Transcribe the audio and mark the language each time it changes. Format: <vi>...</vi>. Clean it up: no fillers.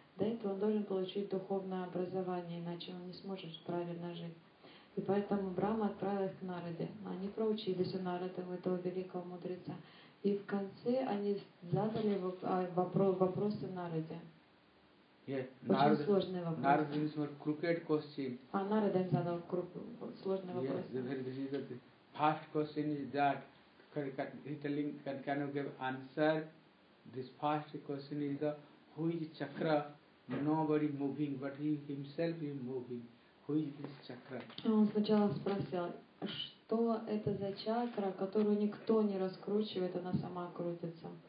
<ru>До этого он должен получить духовное образование, иначе он не сможет правильно жить. И поэтому Брама отправил их к Нараде. Они проучились у Нарады, у этого великого мудреца. И в конце они задали вопросы Нараде. Очень сложные вопросы. Нарада им задал крупный вопрос.</ru> <en>First question is that, can you give answer? This first question is the, who is Chakra? Nobody moving, but he himself is moving. Who is this chakra?</en> <ru>Он сначала спросил, что это за чакра, которую никто не раскручивает, она сама крутится.</ru>